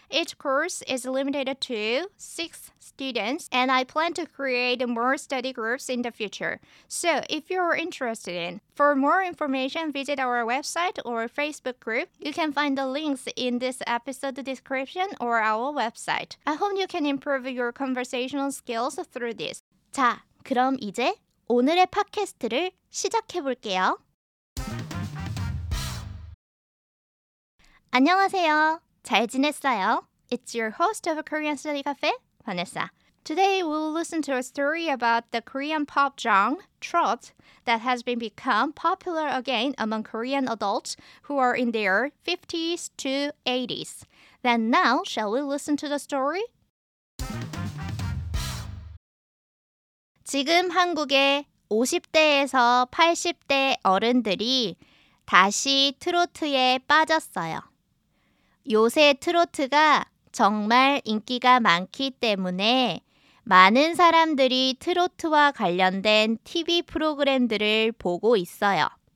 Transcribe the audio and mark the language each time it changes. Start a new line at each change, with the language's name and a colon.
English: Each course is limited to 6 students, and I plan to create more study groups in the future. So, if you're interested in, for more information, visit our website or Facebook group. You can find the links in this episode description or our website. I hope you can improve your conversational skills through this.
Korean: 자, 그럼 이제 오늘의 팟캐스트를 시작해 볼게요. 안녕하세요. 잘 지냈어요?
English: It's your host of Korean Study Cafe, Vanessa. Today, we'll listen to a story about the Korean pop genre, trot, that has been become popular again among Korean adults who are in their 50s to 80s. Then now, shall we listen to the story?
Korean: 지금 한국에 50대에서 80대 어른들이 다시 트로트에 빠졌어요. 요새 트로트가 정말 인기가 많기 때문에 많은 사람들이 트로트와 관련된 TV 프로그램들을 보고 있어요.